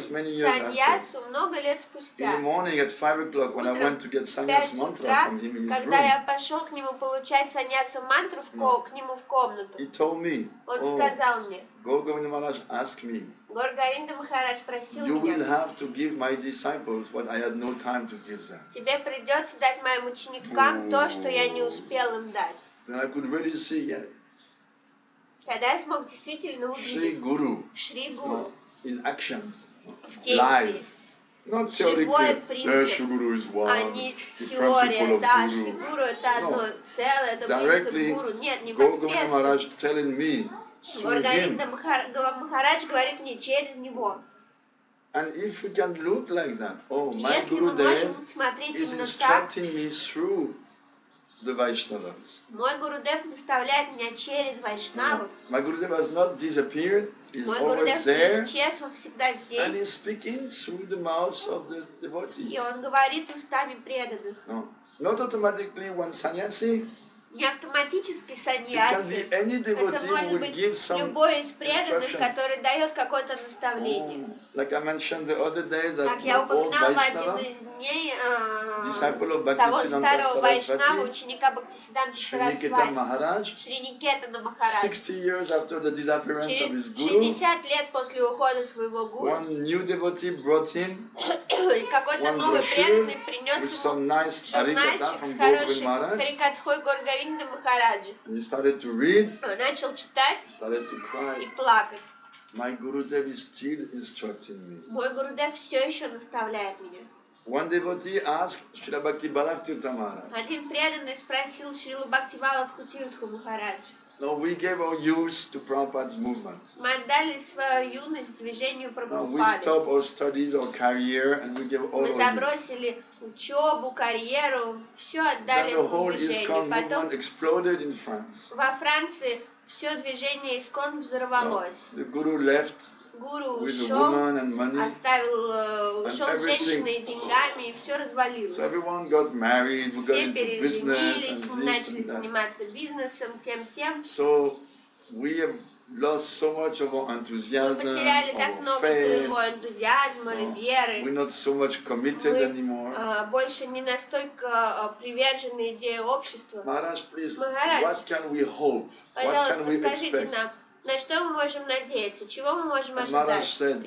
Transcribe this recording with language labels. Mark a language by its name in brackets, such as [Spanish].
[Russian] саньяс, много лет спустя. [English] In the morning at 5 o'clock, when [Russian] утром, [English] I went to get sannyas mantra from him in his room. [Russian] Когда я пошел к нему получать саньяса мантру к нему в комнату. [English] He told me. [Russian] Он сказал мне. [English] Гаур-Говинда Махарадж asked me. [Russian] Гаур-Говинда Махарадж просил меня. [English] You will have to give my disciples what I had no time to give them. [Russian] Тебе придется дать моим ученикам то, что я не успел им дать. [English] Then I could really see it. Yeah. [Russian] Тогда я смог действительно увидеть Шри Гуру, Шри Гуру. [English] In action. [Russian] В действии. [English] Live. Not theoretically, Шри Гуру is one, [Russian] а не теория, да, Шри Гуру это одно целое, это [English] Directly, [Russian] принцип Гуру. Нет, не [English] Гаур-Говинда Махарадж telling me. [Russian] Гаур-Говинда Махарадж говорит мне через него. [English] And if we can look like that, oh, my Gurudev is instructing me through the Vaishnavas. [Russian] Мой Гурудев наставляет меня через Вайшнаву. [English] My Gurudev has not disappeared. He's [Russian] мой Гурудев [English] always there. [Russian] Исчез, он всегда здесь. [English] And he's speaking through the mouth of the devotees. [Russian] И он говорит устами преданных. [English] No, not automatically one sannyasi. [Russian] Не автоматически саньяси. Это может быть любой из преданных, который дает какое-то наставление. [English] Like I mentioned the other day that [Russian] как я упоминал в один из дней того старого Вайшнава, ученика Бхактисиддханта Сарасвати, Шриникетана Махарадж, [English] 60 years after the disappearance of his guru, [Russian] 60 лет после ухода своего гуру, [English] one new devotee brought him [Russian] какой-то [English] one [Russian] новый преданный принес ему [English] nice [Russian] журнальчик с хорошим Харикатхой Гор-Говинда Махараджа. [English] He started to read, [Russian] начал читать, [English] started to cry, [Russian] и плакать. [English] My Gurudev is still instructing me. [Russian] Мой Гурудев все еще наставляет меня. [English] One devotee asked Shrila Bhakti Balakirtha Maharaj. [Russian] Один преданный спросил Шрилу Бхакти Балакиртху Махарадж. [English] No, we gave our youth to Prabhupada's movement. [Russian] Мы отдали свою юность движению Прабхупады. [English] No, we stopped our studies, our career, and we gave all our youth. [Russian] Мы забросили учебу, карьеру, все отдали движению. [English] Then the whole exploded in France. [Russian] Во Франции все движение ИСККОН взорвалось. [English] No, the guru left. [Russian] Гуру ушел, оставил, ушел с женщиной и деньгами, и все развалилось. [English] So everyone got married, we got [Russian] все переженились, мы начали [English] and [Russian] заниматься бизнесом, тем-тем. [English] So we have lost so much of our enthusiasm, [Russian] мы потеряли [English] our [Russian] так [English] our [Russian] много [English] faith. [Russian] Своего энтузиазма и веры. [English] We're not so much committed [Russian] мы [English] anymore. [Russian] Больше не настолько привержены идее общества. Махарадж, [English] please, Махарадж, what can we hope? [Russian] Пожалуйста, [English] what can we [Russian] скажите [English] expect? [Russian] Нам. На что мы можем надеяться? Чего мы можем ожидать? [English] Махарадж said,